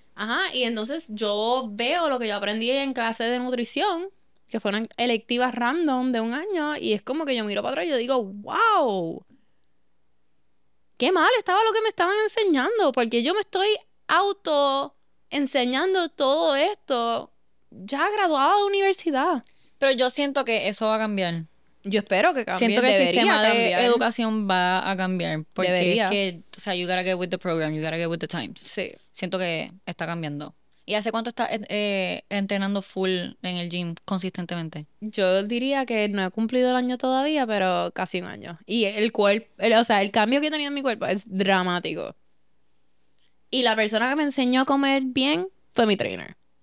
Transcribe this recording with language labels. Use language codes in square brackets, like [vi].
[es] Ajá, y entonces yo veo lo que yo aprendí en clase de nutrición, que fue una electiva random de un año, y es como que yo miro para atrás y yo digo, ¡wow! ¡Qué mal estaba lo que me estaban enseñando! Porque yo me estoy auto-enseñando todo esto ya graduada de universidad. Pero yo siento que eso va a cambiar. Yo espero que cambie. Siento que debería el sistema cambiar. De educación va a cambiar. Porque debería. Es que, o sea, [en] you gotta get with the program, you gotta get with the times. [es] Sí. Siento que está cambiando. ¿Y hace cuánto estás entrenando full en el gym consistentemente? Yo diría que no he cumplido el año todavía, pero casi un año. Y el cuerpo, o sea, el cambio que he tenido en mi cuerpo es dramático. Y la persona que me enseñó a comer bien fue mi trainer.